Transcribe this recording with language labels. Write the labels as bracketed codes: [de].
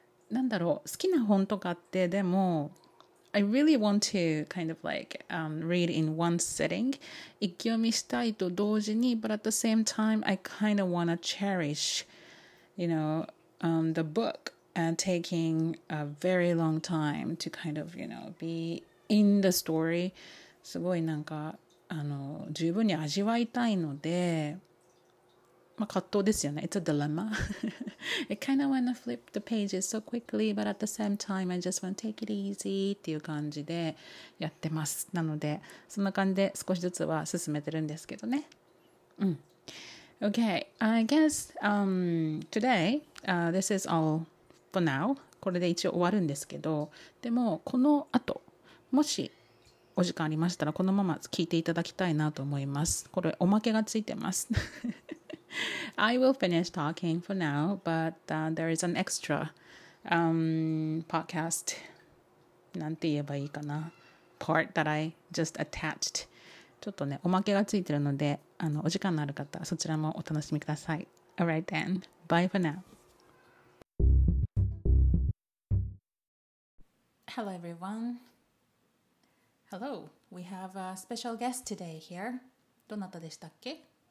[ja] なんだろう、好きな本とかってでも、 [en] I really want to kind of like read in one sitting. [ja] 一気読みしたいと同時に [en] but at the same time, I kind of want to cherish, you know, the book and taking a very long time to kind of, you know, be in the story. [ja] すごいなんか十分に味わいたいので、まあ、葛藤ですよね。 [en] It's a dilemma. I kind of want to flip the pages so quickly, but at the same time, I just want to take it easy [ja] っていう感じでやってます。なので、そんな感じで少しずつは進めてるんですけどね。うん。 [en] Okay, I guess today, this is all for now. [ja] これで一応終わるんですけど、でもこの後、もしお時間ありましたらこのまま聞いていただきたいなと思います。これおまけがついてます。 [en] I will finish talking for now, but there is an extra podcast, [ja] なんて言えばいいかな、 [en] part that I just attached. [ja] ちょっとね、おまけがついてるので、お時間のある方はそちらもお楽しみください。 [en] All right then, bye for now. Hello everyone. Hello, we have a special guest today here. [ja] どなたでしたっけ?